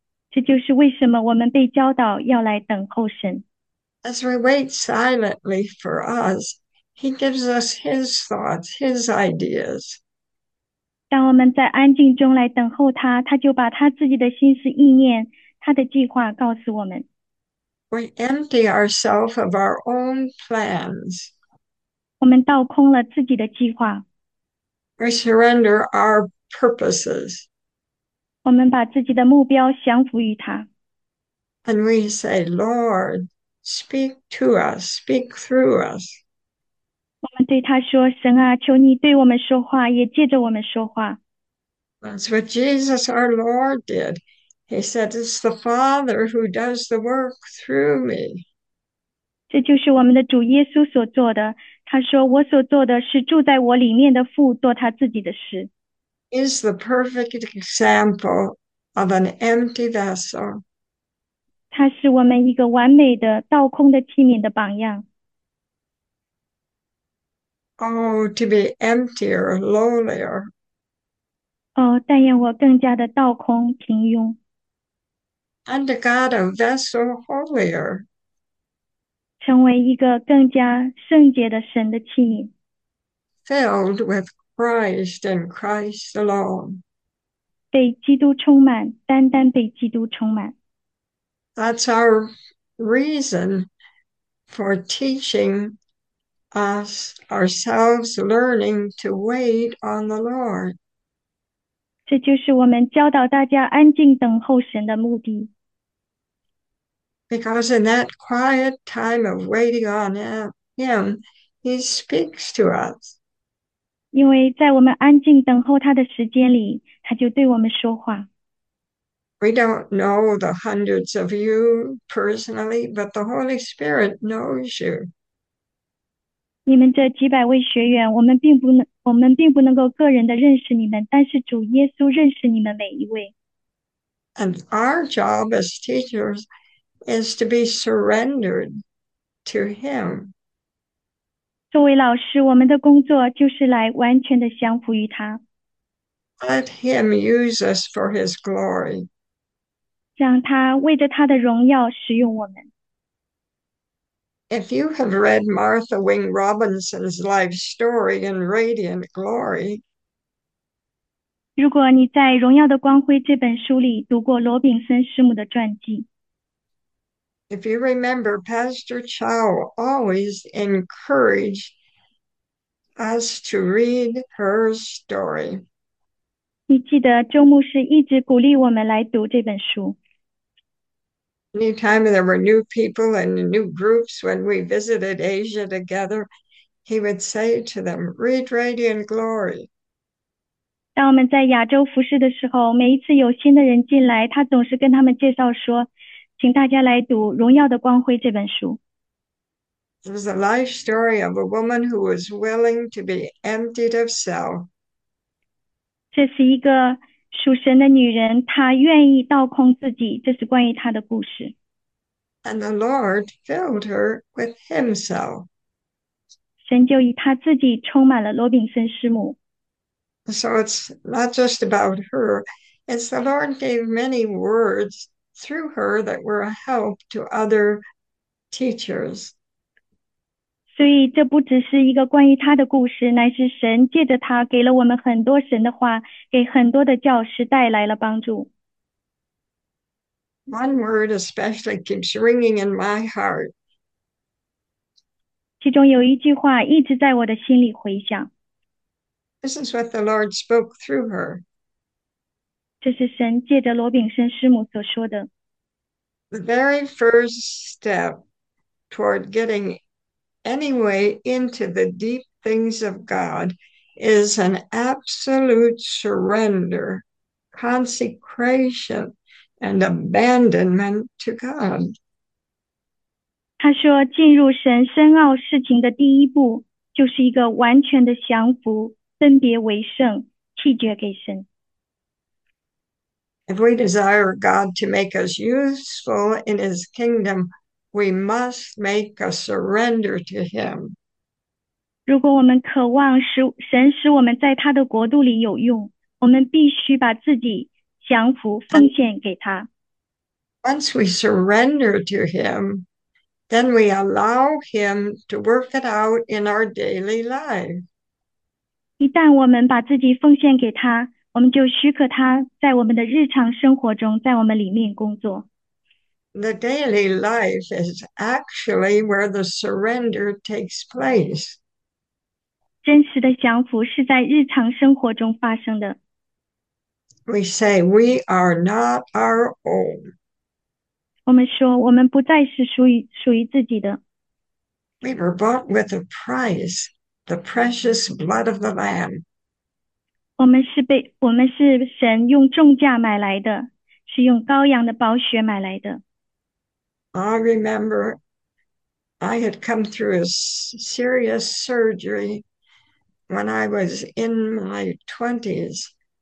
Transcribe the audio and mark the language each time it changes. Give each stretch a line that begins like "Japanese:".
Chinese: 这就是为什么我们被教导要来等候神。
English: As we wait silently for us, he gives us his thoughts, his ideas.
Chinese: 当我们在安静中来等候他，他就把他自己的心思意念、他的计划告诉我们。
English: We empty ourselves of our own plans.
Chinese: 我们倒空了自己的计划。
English: We surrender our purposes.
Chinese: 我们把自己的目标降服于他。
English: And we say, Lord, speak to us, speak through us.
Chinese: 我们对他说：“神啊，求你对我们说话，也借着我们说话。
English: That's what Jesus, our Lord, did. He said, it's the Father who does the work through me.
Chinese: ”这就是我们的主耶稣所做的。他说：“我所做的是住在我里面的父做他自己的事。”
English: Is the perfect example of an empty vessel.
Chinese: 他是我们一个完美的倒空的器皿的榜样。
English: Oh, to be emptier, lowlier.
Chinese: 哦，但愿我更加的倒空平庸，
English: And to God, a vessel holier.
Chinese: 成为一个更加圣洁的神的器皿。
English: Filled with Christ and Christ alone.
Chinese: 被基督充满，单单被基督充满。
English: That's our reason for teaching us ourselves learning to wait on the Lord.
Chinese: 这就是我们教导大家安静等候神的目的。
English: Because in that quiet time of waiting on Him, He speaks to us.
Chinese: 因为在我们安静等候他的时间里，他就对我们说话。
English: We don't know the hundreds of you personally, but the Holy Spirit knows you.
Chinese: 你们这几百位学员，我们并不能够个人的认识你们，但是主耶稣认识你们每一位。
English: And our job as teachers is to be surrendered to him.
Chinese: 作为老师，我们的工作就是来完全的降服于他，
English: Let him use us for his glory.
Chinese: 让他为着他的荣耀使用我们。
English: If you have read Martha Wing Robinson's life story in Radiant Glory,
Chinese: 如果你在《荣耀的光辉》这本书里读过罗炳森师母的传记，
English: if you remember, Pastor Chow always encouraged us to read her story.
Chinese: 你记得周牧师一直鼓励我们来读这本书。
English: Anytime there were new people and new groups when we visited Asia together, he would say to them, Read Radiant Glory.
Chinese: 当我们在亚洲服侍的时候，每一次有新的人进来，他总是跟他们介绍说：“请大家来读《荣耀的光辉》这本书。
English: It was a life story of a woman who was willing to be emptied of self.
Chinese: ”这是一个属神的女人，她愿意倒空自己，这是关于她的故事。
English: And the Lord filled her with Himself.
Chinese: 神就以她自己充满了罗炳森师母。
English: So it's not just about her, it's the Lord gave many words through her that were a help to other teachers.
Chinese: 所以这不只是一个关于他的故事，乃是神借着他给了我们很多神的话，给很多的教师带来了帮助。
English: One word especially keeps ringing in my heart.
Chinese: 其中有一句话一直在我的心里回响。
English: This is what the Lord spoke through her.
Chinese: 这是神借着罗炳森师母所说的。
English: The very first step toward getting any way into the deep things of God is an absolute surrender, consecration. And abandonment to God.
Chinese: 他说：“进入神深奥事情的第一步，就是一个完全的降服，分别为圣，弃绝给神。
English: If we desire God to make us useful in His kingdom, we must make a surrender to Him.
Chinese: ”如果我们渴望神使我们在他的国度里有用，我们必须把自己降服，奉献给他。
English: Once we surrender to him, then we allow him to work it out in our daily life.
Chinese: 一旦我们把自己奉献给他，我们就许可他在我们的日常生活中，在我们里面工作。
English: The daily life is actually where the surrender takes place.
Chinese: 真实的降服是在日常生活中发生的。
English: We say we are not our own.
Chinese: 我们说，我们不再是属于自己的。
English: We were bought with a price, the precious blood of the Lamb.
Chinese: 我们是神用重价买来的，是用羔羊的宝血买来的。
English: I remember I had come through a serious surgery when I was in my 20s.